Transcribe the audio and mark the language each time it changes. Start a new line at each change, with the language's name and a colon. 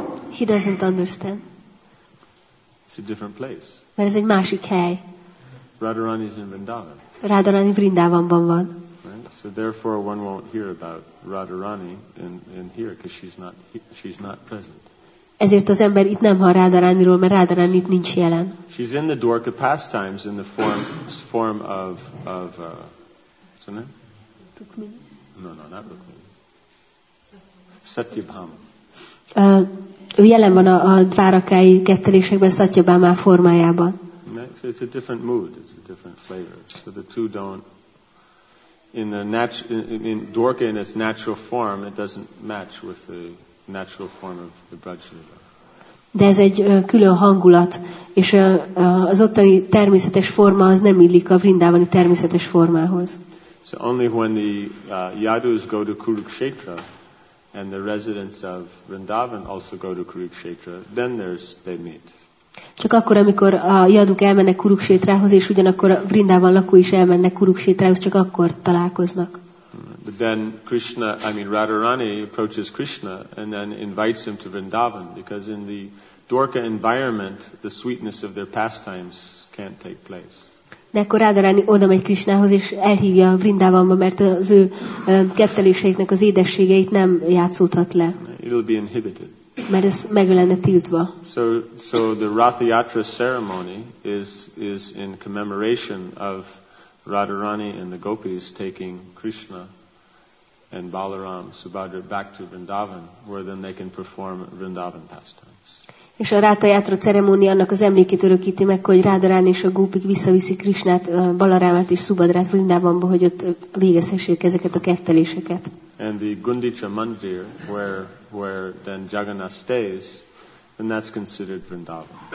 English: He doesn't understand. It's a different place.
Hungarian: Mert ez egy másik hely.
English: Radharani is in Vrindavan.
Hungarian: Radharani Vrindavanban van.
English: Right? So therefore one won't hear about Radharani in here because she's not present.
Hungarian: Ezért az ember itt nem hall Radharaniról, mert Radharani itt nincs jelen.
English: She's in the Dwarka pastimes in the form of what's her name? Rukmini. No, not Rukmini. Satyabhama.
Hungarian: Ő jelen van a dvárakai kettelésekben Satyabhama formájában.
English: It's a different mood, it's a different flavor. So the two don't, in Dwarka in its natural form, it doesn't match with the natural form of the Brajlila.
Hungarian: De ez egy külön hangulat, és az ottani természetes forma az nem illik a Vrindavani természetes formához.
English: So only when the Yadus go to Kurukshetra, and the residents of Vrindavan also go to Kurukshetra, then they meet.
Hungarian: Csak akkor, amikor a Yaduk elmennek Kuruksétrához, és ugyanakkor a Vrindavan lakó is elmennek Kuruksétrához, csak akkor találkoznak.
English: But then Radharani approaches Krishna and then invites him to Vrindavan, because in the Dwarka environment, the sweetness of their pastimes can't take place.
Hungarian: De akkor Rádarani oda megy Krisnához, és elhívja Vrindávanba, mert az ő ketteléseiknek az édességeit nem játszódhat le.
English: It'll be inhibited.
Hungarian: Mert ez meg lenne tiltva.
English: So the Ratha Yatra ceremony is in commemoration of Radharani and the gopis taking Krishna and Balaram Subhadra back to Vrindavan, where then they can perform Vrindavan pastimes.
Hungarian: És a Ratha Yatra ceremónia annak az emlékét örökíti meg, hogy Radharani és a gópik visszaviszik Krishnát, Balarámát és Subhadrát Vrindavanba, hogy ott végezhessék ezeket a ketteléseket.
English: And the Gundicha Mandir, where then Jagannath stays, and that's considered Vrindavan.